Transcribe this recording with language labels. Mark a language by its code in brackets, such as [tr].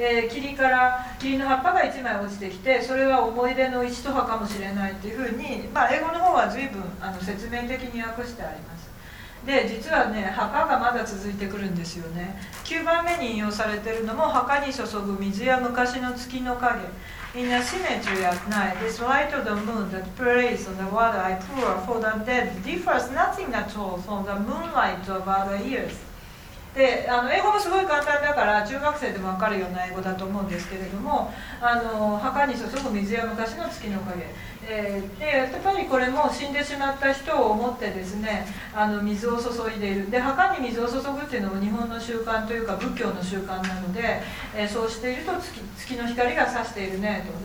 [ja] 霧の葉っぱが1枚落ちてきて、それは思い出の石と葉かもしれないというふうに、まあ、英語の方は随分説明的に訳してあります。で実はね、墓がまだ続いてくるんですよね。9番目に引用されているのも墓に注ぐ水や昔の月の影。 [en] In a symmetry at night This light of the moon that plays on the water I pour for the dead differs nothing at all from the moonlight of other years。 [ja] で英語もすごい簡単だから中学生でも分かるような英語だと思うんですけれども、墓に注ぐ水や昔の月の影、でやっぱりこれも死んでしまった人を思ってですね、水を注いでいる。で墓に水を注ぐっていうのも日本の習慣というか仏教の習慣なので、そうしていると 月の光が差しているねと。